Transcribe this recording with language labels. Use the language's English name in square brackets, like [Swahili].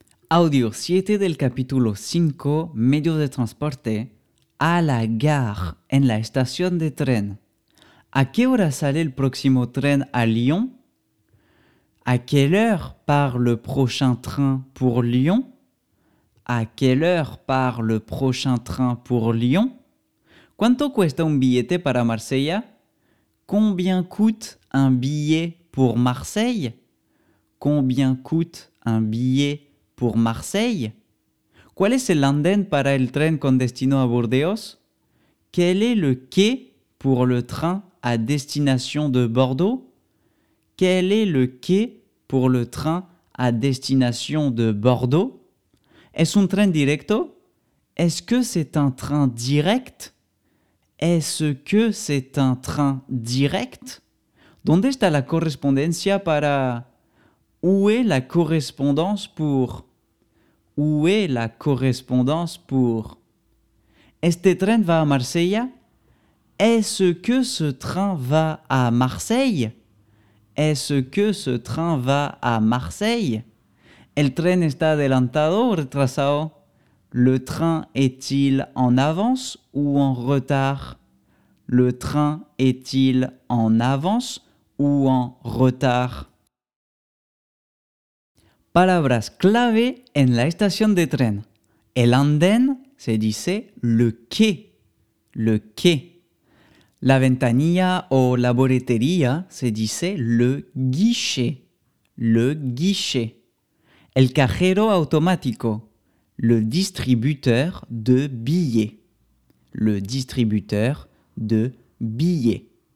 [Spanish] Audio 7 del capítulo 5, medio de transporte, [French] a la gare, [Spanish] en la estación de tren. ¿A qué hora sale el próximo tren a Lyon? [French] ¿A quelle heure part le prochain train pour Lyon? ¿A quelle heure part le prochain train pour Lyon? [Spanish] ¿Cuánto cuesta un billete para Marsella? [French] ¿Combien coûte un billet pour Marseille? ¿Combien coûte un billet pour Marseille? [Spanish] ¿Cuál es el andén para el tren con destino a Burdeos? [French] ¿Quel est le quai pour le train à destination de Bordeaux? ¿Quel est le quai pour le train à destination de Bordeaux? [Spanish] ¿Es un tren directo? [French] ¿Est-ce que c'est un train direct? ¿Est-ce que c'est un train direct? [Spanish] ¿Dónde está la correspondencia para? [French] ¿Où est la correspondance pour? ¿Où est la correspondance pour? [Spanish] ¿Este tren va a Marsella? [French] ¿Est-ce que ce train va à Marseille? ¿Est-ce que ce train va à Marseille? [Spanish] ¿El tren está adelantado o retrasado? [French] ¿Le train est-il en avance ou en retard? ¿Le train est-il en avance ou en retard? [Spanish] Palabras clave en la estación de tren. El andén se dice le quai. Le quai. La ventanilla o la boletería se dice le guichet. Le guichet. El cajero automático. [French] Le distributeur de billets. Le distributeur de billets.